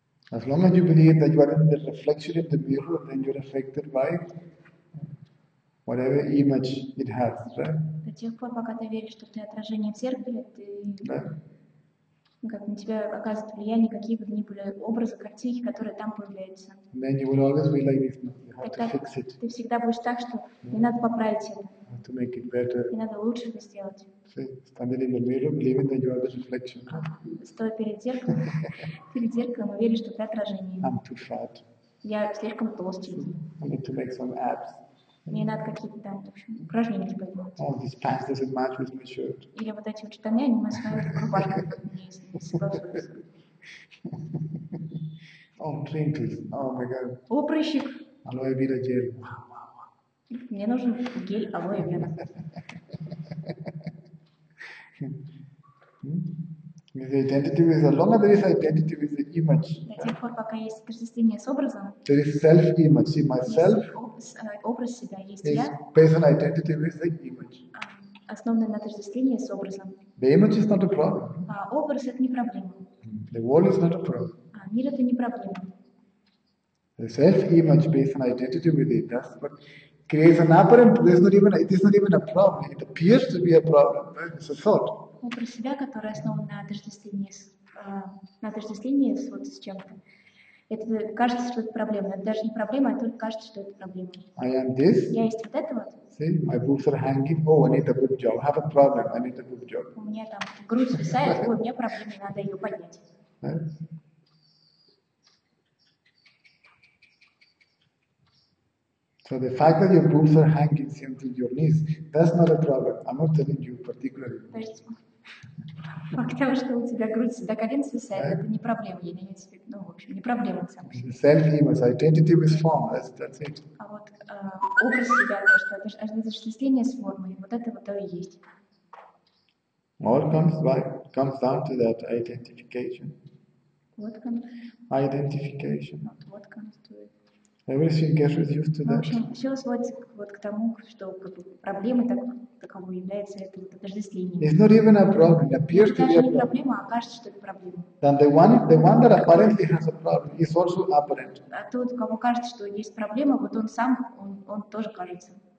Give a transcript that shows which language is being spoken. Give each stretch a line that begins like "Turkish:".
English: As long as you believe that you are in the reflection of the mirror, then you're affected by whatever image it has, right?
Russian: До тех пор, пока ты веришь, что ты отражение в зеркале, ты как на тебя оказывает влияние, какие бы ни были образы, картинки, которые там появляются.
English: Then you will always be like this. You have to fix it.
Russian: Ты всегда будешь так, что не надо поправить это.
English: To make it better.
Russian: И надо лучше это сделать.
English: See, standing in the mirror, believing that you are the reflection.
Russian: Стоя перед зеркалом, веришь, что ты отражение.
English: I'm too fat.
Russian: Я слишком толстый.
English: I need to make some abs.
Russian: Мне надо какие-то там, в общем, упражнения типа делать.
English: All these pants doesn't match with my shirt.
Russian: Или вот эти вот штаны, они мы с вами рубашка не соглашаются.
English: Oh, wrinkles. Oh my god.
Russian: О, прыщик.
English: Aloe vera gel.
Russian: Мне нужен гель алоэ вера.
English: With the identity with, as long as there is identity with the image.
Russian: До тех пор, пока есть отождествление с образом.
English: There is self-image. See, myself.
Russian: Образ себя есть
English: is
Russian: я.
English: Based on identity with the image.
Russian: Основанное на отождествлении с образом.
English: The image is not a problem.
Russian: Образ это не проблема.
English: The world is not a problem.
Russian: Мир это не проблема.
English: The self-image based on identity with it. That's what creates an apparent. It is not even a problem. It appears to be a problem. It's a thought.
Russian: Образ себя, который основан на отождествлении с, вот с чем-то. Это кажется, что это проблема. Это даже не проблема, а только кажется, что это проблема.
English: I am this.
Russian: Я есть вот это вот.
English: See, my boobs are hanging. Oh, I need a boob job. I have a problem. I need a boob job.
Russian: У меня там грудь свисает. Ой, у меня проблема, надо ее поднять.
English: So the fact that your boobs are hanging into your knees, that's not a problem. I'm not telling you particularly.
Russian: Факт того, что у тебя грудь до колен свисает, это не проблема. Я не имею в виду, ну, в общем, не проблема сам.
English: Self-image, identity with form, that's it.
Russian: А вот образ себя, то, что это отождествление с формой, вот это вот то и есть.
English: All comes down to that identification. What comes? Identification. What comes to it? Everything gets reduced to that.
Russian: В общем, все сводится вот к тому, что как бы, проблемой таковой является это вот отождествление.
English: It's not even a problem. It appears to be a problem.
Russian: А кажется, что это проблема.
English: Then the one that apparently has a problem is also apparent.
Russian: А тот, кому кажется, что есть проблема, вот он сам, он тоже кажется.